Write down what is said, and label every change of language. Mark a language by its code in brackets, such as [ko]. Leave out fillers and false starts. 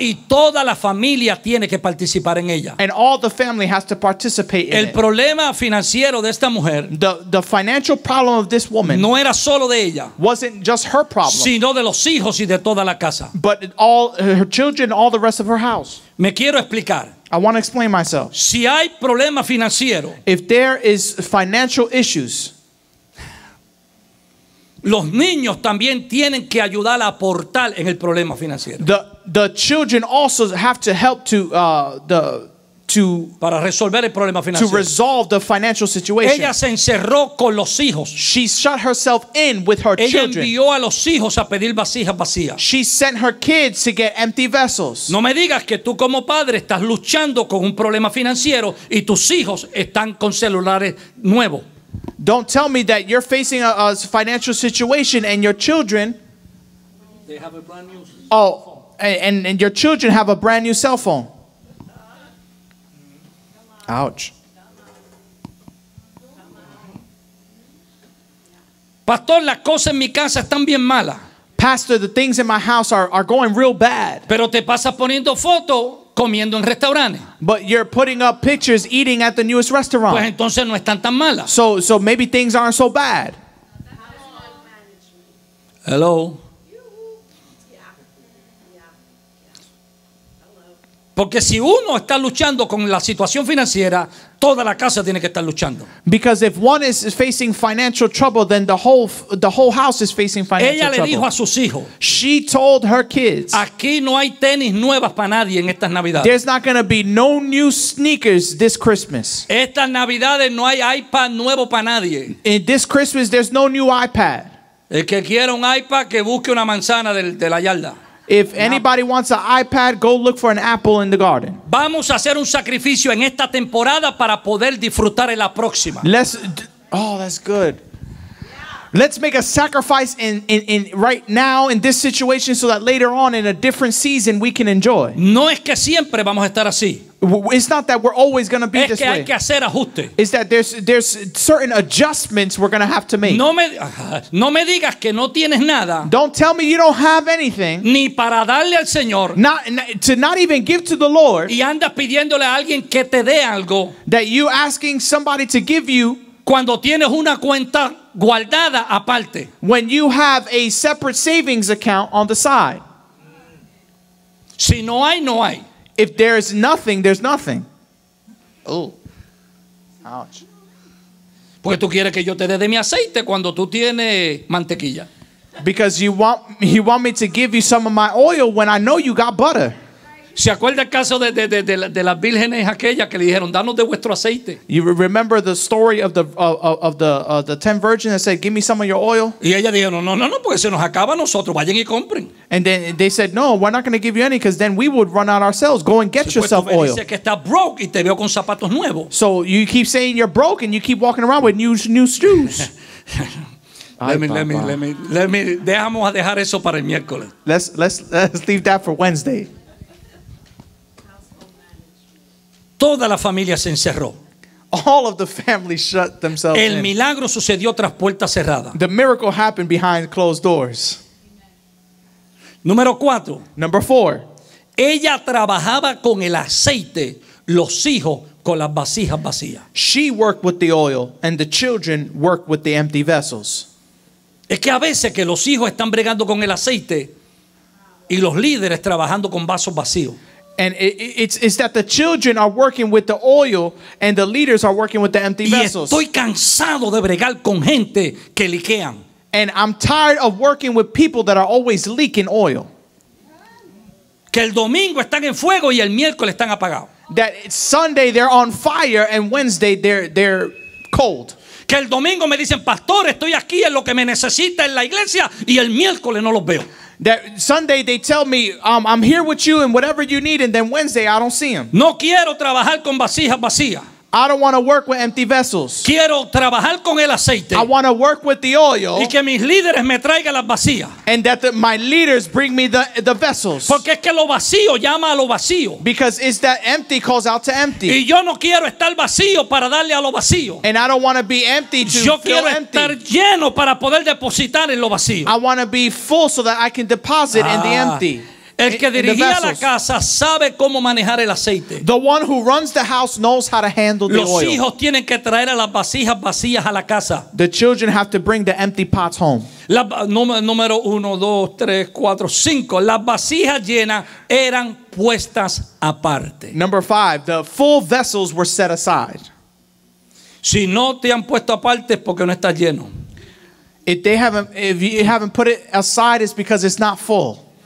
[es] y toda la familia tiene que participar en ella, [en] and all the family has to participate in [es] el problema financiero de esta mujer, [en] the financial problem of this woman, [es] no era solo de ella, [en] wasn't just her problem, [es] sino de los hijos y de toda la casa, [en] but all her children, all the rest of her house. [es] Me quiero explicar. [en] I want to explain myself. [es] Si hay problema financiero, [en] if there is financial issues, [es] los niños también tienen que ayudar a aportar en el problema financiero. [en] The children also have to help [es] para resolver el problema financiero. [en] To resolve the financial situation. [es] Ella se encerró con los hijos. [en] She shut herself in with her [es] ella [en] children. [es] Ella envió a los hijos a pedir vasijas vacías. [en] She sent her kids to get empty vessels. [es] No me digas que tú como padre estás luchando con un problema financiero y tus hijos están con celulares nuevos. [en] Don't tell me that you're facing a financial situation and your children, they have a brand new cell phone. Oh, and your children have a brand new cell phone. Ouch. [es] Pastor, las cosas en mi casa están bien malas. [en] Pastor, the things in my house are going real bad. [es] Pero te pasas poniendo fotos comiendo en restaurantes. [en] But you're putting up pictures eating at the newest restaurant. [es] Pues entonces no están tan malas. [en] So maybe things aren't so bad. Hello. [es] Porque si uno está luchando con la situación financiera, toda la casa tiene que estar luchando. [en] Because if one is facing financial trouble, then the whole house is facing financial trouble. [es] Ella le dijo a sus hijos. [en] She told her kids. [es] Aquí no hay tenis nuevas para nadie en estas Navidades. [en] There's not going to be no new sneakers this Christmas. [es] Estas Navidades no hay iPad nuevo para nadie. [en] In this Christmas there's no new iPad. [es] El que quiera un iPad que busque una manzana de la yarda. [en] If anybody wants an iPad, go look for an apple in the garden. [es] Vamos a hacer un sacrificio en esta temporada para poder disfrutar en la próxima. [en] That's good. Let's make a sacrifice in right now in this situation so that later on in a different season we can enjoy. [es] No es que siempre vamos a estar así. [en] It's not that we're always going to be [es] es [en] this [es] que [en] way. [es] Hay que hacer ajuste. [en] It's that there's certain adjustments we're going to have to make. [es] No me digas que no tienes nada. [en] Don't tell me you don't have anything. [es] Ni para darle al Señor. [en] Not even give to the Lord. [es] Y andas pidiéndole a alguien que te dé algo. [en] That you asking somebody to give you. [es] Cuando tienes una cuenta guardada aparte. [en] When you have a separate savings account on the side. [es] Si no hay, no hay. [en] If there is nothing, there's nothing. Oh. Ouch. [es] Porque tú quieres que yo te dé de mi aceite cuando tú tienes mantequilla. [en] Because you want me to give you some of my oil when I know you got butter. [es] ¿Se acuerda el caso de las vírgenes aquellas que le dijeron, danos de vuestro aceite? [en] You remember the story of the 10 virgins that said, give me some of your oil? [es] Y ella dijo, no, porque se nos acaba a nosotros, vayan y compren. [en] And then they said, no, we're not going to give you any because then we would run out ourselves. Go and get yourself oil. [es] Dice que está broke y te veo con zapatos nuevos. [en] So you keep saying you're broke and you keep walking around with new shoes. Let me [es] dejamos a dejar eso para el miércoles. [en] Let's leave that for Wednesday. [es] Toda la familia se encerró. [en] All of the family shut themselves in. [es] El milagro sucedió tras puertas cerradas. [en] The miracle happened behind closed doors. [es] Número cuatro. [en] Number four. [es] Ella trabajaba con el aceite, los hijos con las vasijas vacías. [en] She worked with the oil and the children worked with the empty vessels. [es] Es que a veces que los hijos están bregando con el aceite y los líderes trabajando con vasos vacíos. [en] And it's that the children are working with the oil and the leaders are working with the empty vessels. [es] Y estoy cansado de bregar con gente que liquean. [en] And I'm tired of working with people that are always leaking oil. [es] Que el domingo están en fuego y el miércoles están apagados. [en] That it's Sunday they're on fire and Wednesday they're cold. [es] Que el domingo me dicen, pastor, estoy aquí en lo que me necesita en la iglesia y el miércoles no los veo. [en] That Sunday they tell me, I'm here with you and whatever you need, and then Wednesday I don't see them. [es] No quiero trabajar con vasijas vacías. [en] I don't want to work with empty vessels. [es] Quiero trabajar con el aceite. [en] I want to work with the oil. [es] Y que mis líderes me traigan las vacías. [en] And that my leaders bring me the vessels. [es] Porque es que lo vacío llama a lo vacío. [en] Because it's that empty calls out to empty. [es] Y yo no quiero estar vacío para darle a lo vacío. [en] And I don't want to be empty to [es] yo [en] fill [es] quiero [en] empty. [es] Estar lleno para poder depositar en lo vacío. [en] I want to be full so that I can deposit in the empty. [es] El que dirigía la casa sabe cómo manejar el aceite. [en] The one who runs the house knows how to handle the oil. [es] Los hijos tienen que traer a las vasijas vacías a la casa. [en] The children have to bring the empty pots home. [es] Número 1, 2, 3, 4, 5. Las vasijas llenas eran puestas aparte. [en] Number 5, the full vessels were set aside. [es] Si no te han puesto aparte es porque no estás lleno. [en] If you haven't put it aside, it's because it's not full.